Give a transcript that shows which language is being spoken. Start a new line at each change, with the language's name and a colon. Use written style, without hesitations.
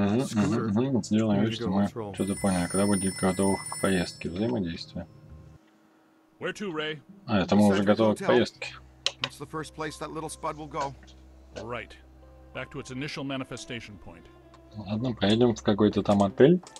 Russian: Сделаем вид, что мы что-то поняли. Когда будем готовы к поездке? Взаимодействие.
English: Where to, Ray?
Russian: А, это мы уже готовы к поездке.
English: What's the first place that little spud will go? Right. Back to its initial manifestation point.
Russian: Ладно, поедем в какой-то там отель.